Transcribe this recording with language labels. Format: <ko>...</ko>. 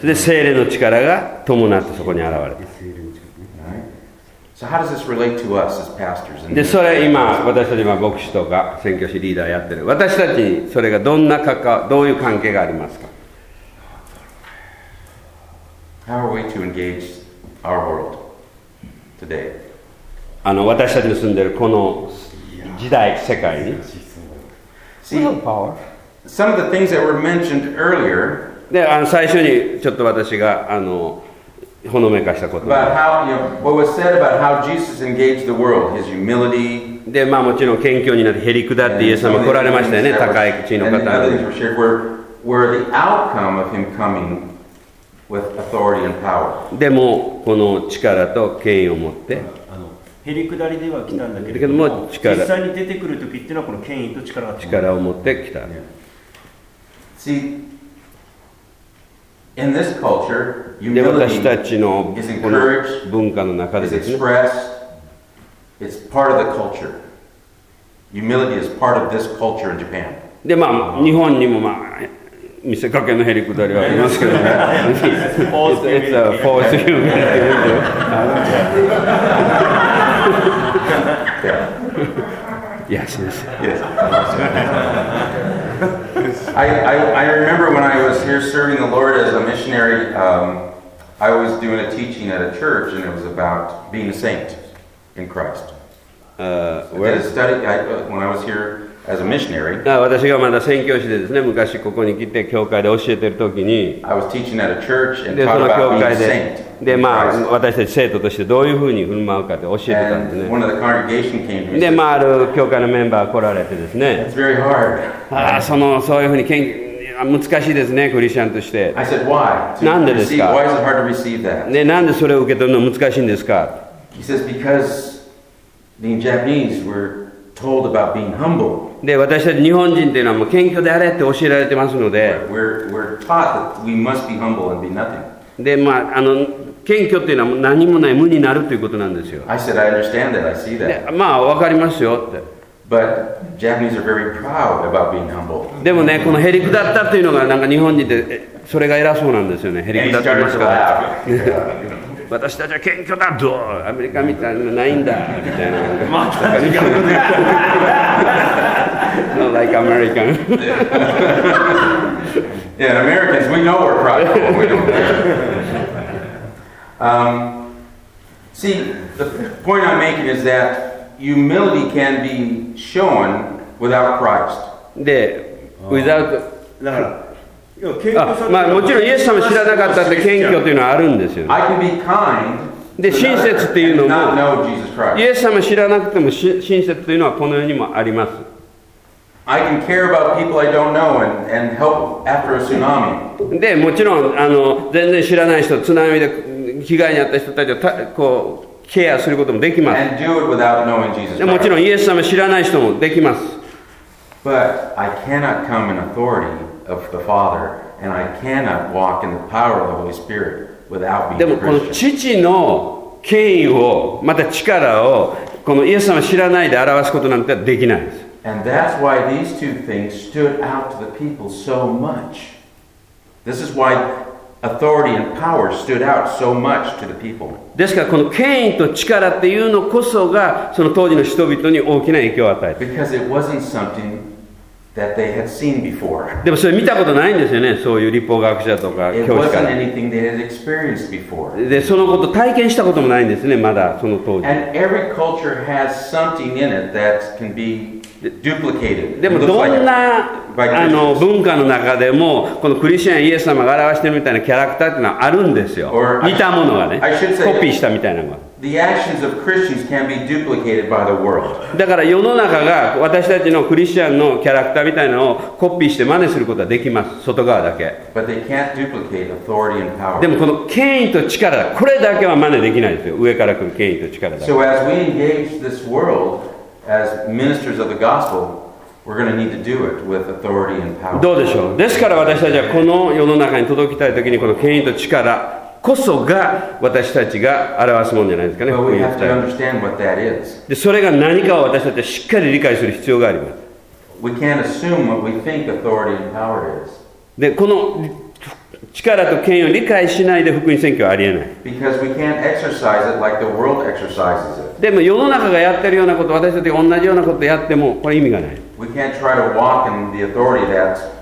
<ja>で、聖霊の力が伴ってそこに現れた。</ja> <en>Right. So how does this relate to us as pastors?</en> <ja>で、それ今私たち今牧師とか宣教師リーダーやってる私たちにそれがどんな関わどういう関係がありますか。</ja> <en>How are we to engage our world today.</en> <ja>あの、私たちの住んでるこの時代、世界に。</ja> <en>See, some of the things that were mentioned earlier,</en> <ja>で、あの、最初にちょっと私が、あの、ほのめかしたこと。</ja> <en>About how, you know, what was said about how Jesus engaged the world, his humility.</en> <ja>で、まあもちろん謙虚になって、へりくだってイエス様来られましたよね、高い地の方。</ja> <en>And the other things were shared were the outcome of him coming with authority and power.</en> <ja>でも、この力と権威を持って、へりくだりでは来たんだけれども、実際に出てくるときっていうのはこの権威と力が力を持ってきた。</ja> <en>Yeah. See, in this culture, humility is encouraged, is expressed. It's part of the culture. Humility is part of this culture in Japan.</en> <ja>で、まあ、日本にもまあ見せかけのへりくだりはありますけどね。</ja> <en>It's a false humility. Yes, yes. Yes. I remember when I was here serving the Lord as a missionary, I was doing a teaching at a church, and it was about being a saint in Christ. I did a study when I was here as a missionary.</en> <ja>私がまだ宣教師でですね、昔ここに来て教会で教えてる時に、</ja> <en>I was teaching at a church and taught about being a saint.</en> <ja>で、まあ、私たち生徒としてどういうふうに振る舞うかって教えてたんですね。で、まあ、ある教会のメンバーが来られてですね、そういうふうに難しいですね、クリスチャンとして。</ja> <en>I said, why?</en> <ja>なんでですか？</ja> <en>Why is it hard to receive that?</en> <ja>で、なんでそれを受け取るの難しいんですか？</ja> <en>He says, because the Japanese were told about being humble.</en> <ja>で、私たち日本人というのはもう謙虚であれって教えられてますので、</ja> <en>we're taught that we must be humble and be nothing.</en> <ja>で、まあ、あの、謙虚というのは何もない無になるということなんですよ。</ja> <en>I said, I understand that. I see that. で、</en> <ja>まあ、分かりますよって。</ja> <en>But Japanese are very proud about being humble.</en> <ja>でもね、このへりくだったというのがなんか日本人でそれが偉そうなんですよね。へりくだってますから。</ja> <en>And he started to laugh.</en> <ja>私たちは謙虚だ、どう？アメリカみたいなのないんだ、みたいな。まあ、確かに。</ja> <en>Not like American. Yeah, and Americans, we know we're proud of what we don't care. See, the point I'm making is that humility can be shown without Christ. で、without...</en> <ja>だから、あ、まあ、もちろんイエス様知らなかったって謙虚というのはあるんですよ。</ja> <en>I can be kind.</en> <ja>で、親切っていうのも、イエス様知らなくても親切というのはこの世にもあります。</ja> <en>I can care about people I don't know and help after a tsunami.</en> <ja>で、もちろん、あの、全然知らない人、津波で被害に遭った人たちをた、こう、ケアすることもできます。</ja> <en>And do it without knowing Jesus.</en> <ja>もちろん、イエス様知らない人もできます。</ja> <en>But I cannot come in authority of the Father, and I cannot walk in the power of the Holy Spirit without being a Christian.</en> <ja>でも、この父の権威を、また力を、このイエス様知らないで表すことなんてできないです。</ja> <en>And that's why these two things stood out to the people so much. This is why authority and power stood out so much to the people.</en> <ja>ですから、この権威と力っていうのこそが、その当時の人々に大きな影響を与えた。</ja> <en>Because it wasn't something that they had seen before.</en> <ja>でもそれ見たことないんですよね、そういう立法学者とか教師から。</ja> <en>It wasn't anything they had experienced before.</en> <ja>で、そのこと体験したこともないんですね、まだその当時。</ja> <en>And every culture has something in it that can be...</en> <ja>でもどんなあの文化の中でもこのクリスチャンイエス様が表してるみたいなキャラクターっていうのはあるんですよ。似たものがね、コピーしたみたいなのが。だから世の中が私たちのクリスチャンのキャラクターみたいなのをコピーして真似することはできます、外側だけ。でもこの権威と力、これだけは真似できないですよ、上から来る権威と力だけ。</ja> <en>So as we engage this worldAs ministers of the gospel, we're going to need to do it with authority and power.</en> <ja>どうでしょう。ですから私たちはこの世の中に届きたいときに、この権威と力こそが私たちが表すものじゃないですかね。</ja> <en>But we have to understand what that is.</en> <ja>で、それが何かを私たちはしっかり理解する必要があります。</ja> <en>We can't assume what we think authority and power is.</en> <ja>で、この力と権威を理解しないで福音宣教はありえない。</ja> <en>Because we can't exercise it like the world exercises it.</en> <ja>でも世の中がやってるようなこと、私たちが同じようなことやってもこれ意味がない。</ja> <en>We can't try to walk in the authority that</en>